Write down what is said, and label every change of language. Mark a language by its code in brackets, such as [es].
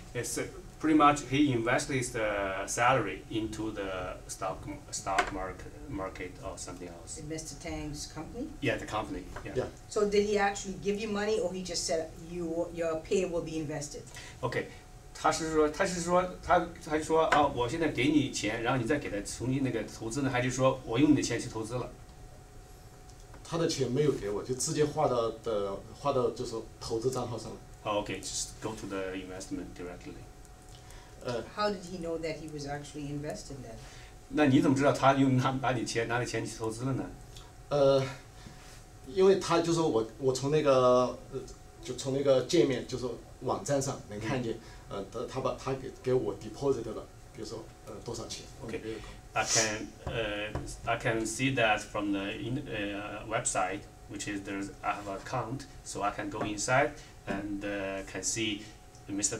[en] It's pretty much he invests the salary into the stock market or something else. In Mr. Tang's company? Yeah, the company. Yeah. So did he actually give you money or he just said your pay will be invested? Okay. [zh] 他是说啊，我现在给你钱，然后你再给他重新那个投资呢，还是说我用你的钱去投资了？他的钱没有给我，就直接划到就是投资账号上了。 [en] Oh, okay, just go to the investment directly. How did he know that he was actually invested then? [zh] 那你怎么知道他用拿你钱去投资了呢？因为他就说我从那个就从那个界面就是网站上能看见。他给我 deposited 了，比如说多少钱 [en] ？Okay, I can see that from the website, which is I have an account, so I can go inside and can see Mr.